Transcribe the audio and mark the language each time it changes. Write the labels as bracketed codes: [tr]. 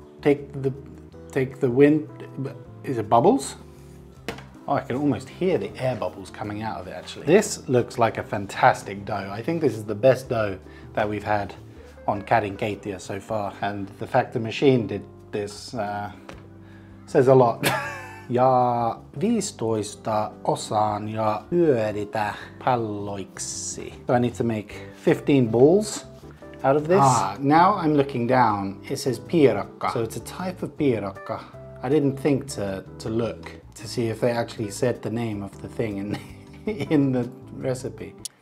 [en] Take the wind. Is it bubbles? Oh, I can almost hear the air bubbles coming out of it, actually. This looks like a fantastic dough. I think this is the best dough that we've had on Cadin Keittiö so far. And the fact the machine did this says a lot. [fi] Ja 15 osaan ja pyöritä palloiksi. [en] So I need to make 15 balls out of this. Now I'm looking down. It says piirakka. So it's a type of piirakka. I didn't think to look to see if they actually said the name of the thing in the recipe.